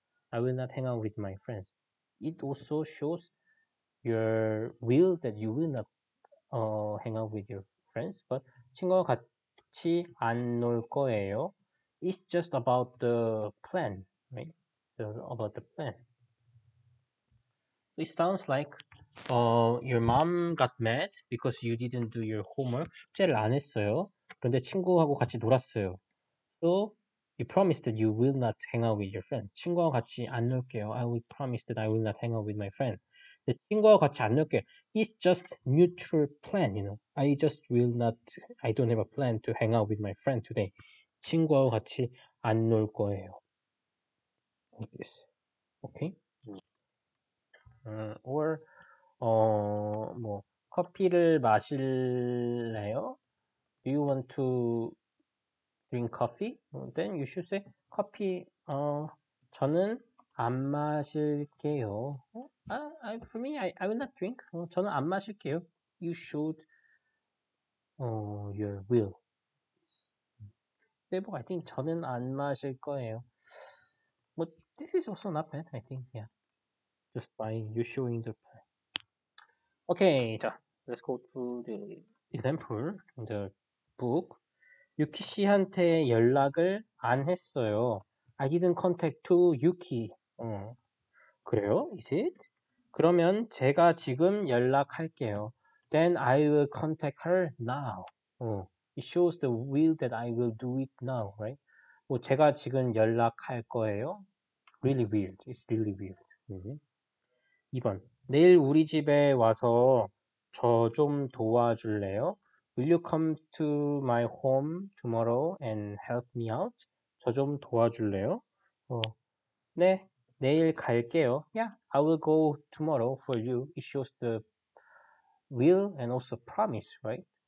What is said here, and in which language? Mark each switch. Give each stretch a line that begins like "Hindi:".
English: I will not hang out with my friends. It also shows your will that you will not hang out with your friends, but
Korean: 친구가 같이 안놀 거예요.
English: It's just about the plan, right? So about the plan. It sounds like your mom got mad because you didn't do your homework.
Korean: 숙제를 안 했어요. 그런데 친구하고 같이 놀았어요.
English: So you promised that you will not hang out with your friend.
Korean: 친구와 같이 안 놀게요.
English: I will promise that I will not hang out with my friend.
Korean: 친구와 같이 안 놀게요.
English: It's just neutral plan, I just will not, I don't have a plan to hang out with my friend today.
Korean: 친구와 같이 안놀 거예요.
English: Like this. Okay?
Korean: Or, 커피를 마실래요?
English: Do you want to drink coffee? Then you should say,
Korean: 커피, 저는 안 마실게요.
English: For me, I will not drink.
Korean: 저는 안 마실게요.
English: You should, you will.
Korean: 네, 뭐,
English: I think
Korean: 저는 안 마실 거예요.
English: 뭐, this is also not bad, I think, yeah. Just by you showing the plan. Okay, 자, let's go to the example in the book.
Korean: 유키 씨한테 연락을 안 했어요.
English: I didn't contact to 유키.
Korean: 그래요?
English: Is it?
Korean: 그러면 제가 지금 연락할게요.
English: Then I will contact her now. It shows the will that I will do it now, right?
Korean: 뭐 제가 지금 연락할 거예요.
English: Really weird. It's really weird. 2번.
Korean: 내일 우리 집에 와서 저좀 도와줄래요?
English: Will you come to my home tomorrow and help me out?
Korean: 저좀 도와줄래요? 네, 내일 갈게요.
English: Yeah, I will go tomorrow for you. It shows the will and also promise, right?